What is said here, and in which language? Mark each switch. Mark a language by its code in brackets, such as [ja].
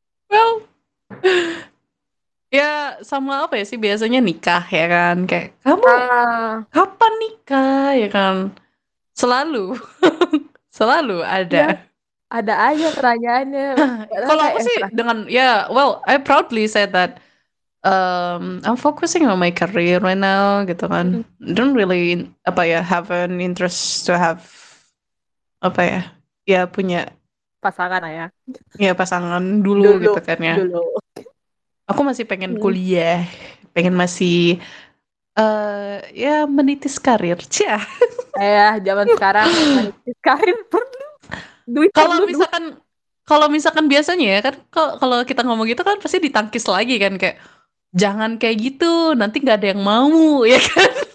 [id] Well, ya sama apa ya sih biasanya nikah ya kan, kayak kamu kapan nikah ya kan, selalu selalu ada. Ya, ada aja pertanyaannya. Padahal Kalau aku kayak sih enak. dengan ya [en] yeah, well I proudly said that I'm focusing on my career right now [id] gitu kan, [en] don't really [id] apa ya [en] have an interest to have [id] apa ya ya punya Pasangan ya. ya pasangan dulu Dulu, gitu kan ya. dulu. Aku masih pengen kuliah, pengen masih ya menitis karir, cia. Zaman sekarang manis karir perlu duit, Kalau perlu duit. misalkan biasanya ya kan, kalau kita ngomong gitu kan pasti ditangkis lagi kan, kayak jangan kayak gitu, nanti nggak ada yang mau ya kan.